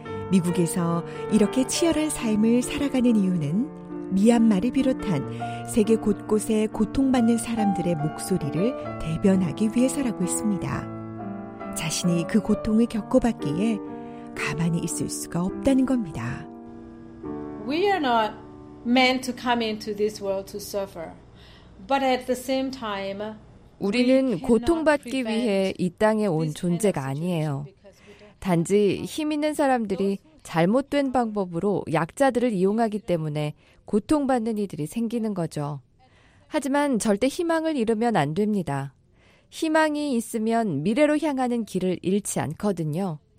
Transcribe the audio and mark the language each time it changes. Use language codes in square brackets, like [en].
[ko] 미국에서 이렇게 치열한 삶을 살아가는 이유는 미얀마를 비롯한 세계 곳곳에 고통받는 사람들의 목소리를 대변하기 위해서라고 했습니다. 자신이 그 고통을 겪어봤기에 가만히 있을 수가 없다는 겁니다. [en] We are not meant to come into this world to suffer. But at the same time, [ko] 우리는 고통받기 위해 이 땅에 온 존재가 아니에요. 단지 힘 있는 사람들이 잘못된 방법으로 약자들을 이용하기 때문에 고통받는 이들이 생기는 거죠. 하지만 절대 희망을 잃으면 안 됩니다. 희망이 있으면 미래로 향하는 길을 잃지 않거든요.